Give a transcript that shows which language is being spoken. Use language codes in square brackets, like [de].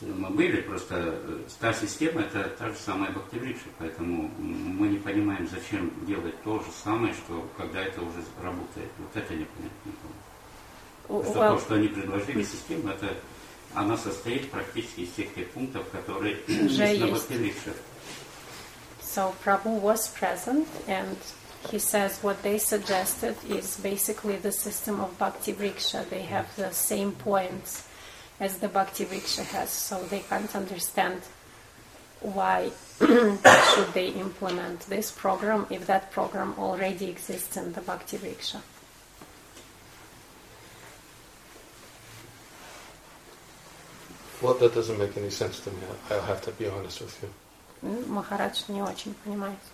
[ru] Мы или просто та система, это та же самая бхактивритша, поэтому мы не понимаем, зачем делать то же самое, что когда это уже работает. Вот это непонятно. То, что они предложили, система, это она состоит практически из тех пунктов, которые уже есть на бхактивритше. [en] So So Prabhu was present, and he says what they suggested is basically the system of Bhakti Riksha. They have the same points as the Bhakti Riksha has, so they can't understand why should they implement this program if that program already exists in the Bhakti Riksha. Well, that doesn't make any sense to me. I'll have to be honest with you. [ru] Махарадж не очень понимает.